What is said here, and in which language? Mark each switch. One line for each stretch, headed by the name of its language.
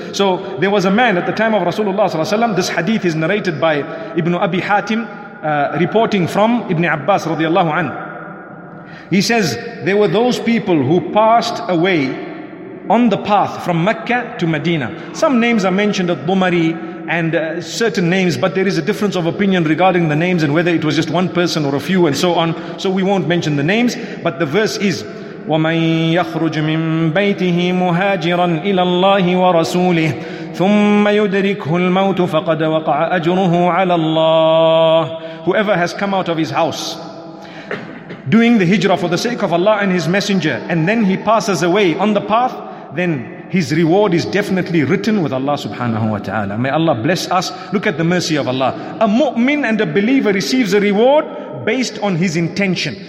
English: So there was a man at the time of Rasulullah sallallahu alaihi wasallam. This hadith is narrated by Ibn Abi Hatim, reporting from Ibn Abbas radiallahu anhu. He says there were those people who passed away on the path from Mecca to Medina. Some names are mentioned, Al-Dumari and certain names, but there is a difference of opinion regarding the names and whether it was just one person or a few and so on. So we won't mention the names, but the verse is,
Arabic: وَمَن يَخْرُجْ مِن بَيْتِهِ مُهَاجِرًا إِلَى اللَّهِ وَرَسُولِهِ ثُمَّ يُدْرِكْهُ الْمَوْتُ فَقَدَ وَقَعَ أَجْرُهُ عَلَى اللَّهِ.
English: Whoever has come out of his house doing the hijrah for the sake of Allah and His Messenger, and then he passes away on the path, then his reward is definitely written with Allah subhanahu wa ta'ala. May Allah bless us. Look at the mercy of Allah. A mu'min and a believer receives a reward based on his intention.